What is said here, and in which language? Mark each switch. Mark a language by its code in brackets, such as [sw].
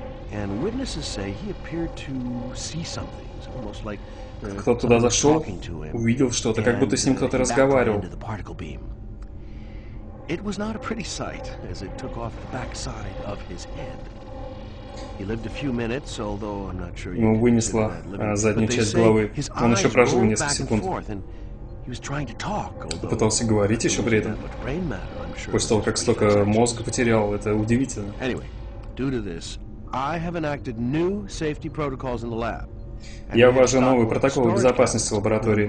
[en] And witnesses say he appeared to see something, almost like [ru] кто-то туда зашел, увидел что-то, как будто с ним кто-то разговаривал. [en] It was not a pretty sight, as it took off the backside of his head. He lived a few minutes, although I'm not sure. [ru] Ему вынесло заднюю часть головы. Он еще прожил несколько секунд. [en] He was trying to talk, although [ru] пытался говорить еще при этом. После того, как столько мозга потерял, это удивительно. [en] Anyway, due to this, I have enacted new safety protocols in the lab. [ru] Я ввожу новые протоколы безопасности в лаборатории.